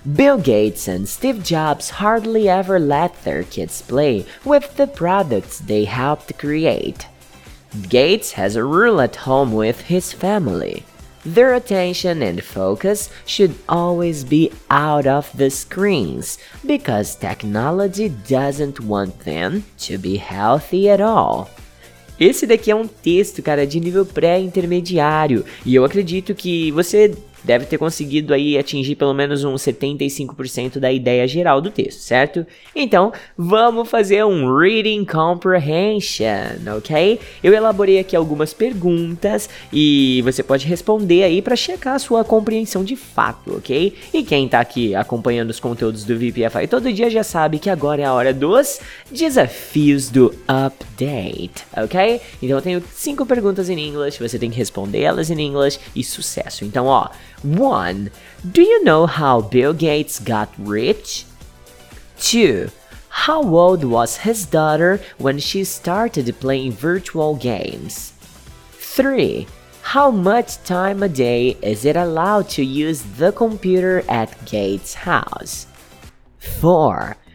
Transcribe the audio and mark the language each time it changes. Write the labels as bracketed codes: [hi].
[en] Bill Gates and Steve Jobs hardly ever let their kids play with the products they helped create. Gates has a rule at home with his family. Their attention and focus should always be out of the screens, because technology doesn't want them to be healthy at all. [pt] Esse daqui é um texto, cara, de nível pré-intermediário, e eu acredito que você deve ter conseguido aí atingir pelo menos uns 75% da ideia geral do texto, certo? Então, vamos fazer um reading comprehension, ok? Eu elaborei aqui algumas perguntas e você pode responder aí para checar a sua compreensão de fato, ok? E quem tá aqui acompanhando os conteúdos do VPFI todo dia já sabe que agora é a hora dos desafios do update, ok? Então, eu tenho 5 perguntas em inglês, você tem que responder elas em inglês e sucesso. Então, ó... 1. [en] Do you know how Bill Gates got rich? 2. How old was his daughter when she started playing virtual games? 3. How much time a day is it allowed to use the computer at Gates' house? 4.